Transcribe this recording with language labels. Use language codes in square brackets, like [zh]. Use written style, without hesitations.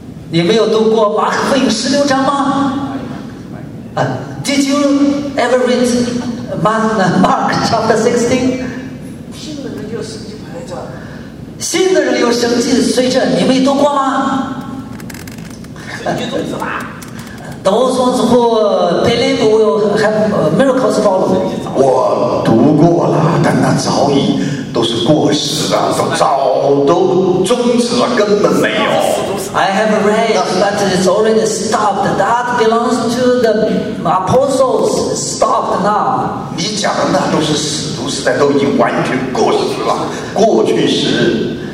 [zh] 你没有读过马可福音十六章吗？ [en] Did you ever read Mark chapter 16? [zh] 信的人有神迹随着。信的人有神迹随着，你没读过吗？神迹终止吧。 [en] Those ones who believe will have miracles follow. [zh] 我读过了，但那早已都是过时的，都终止了，根本没有。 [en] I have read, but it's already stopped. That belongs to the apostles. Stopped now. [zh] 你讲的那都是使徒时代，都已经完全过时了，过去时。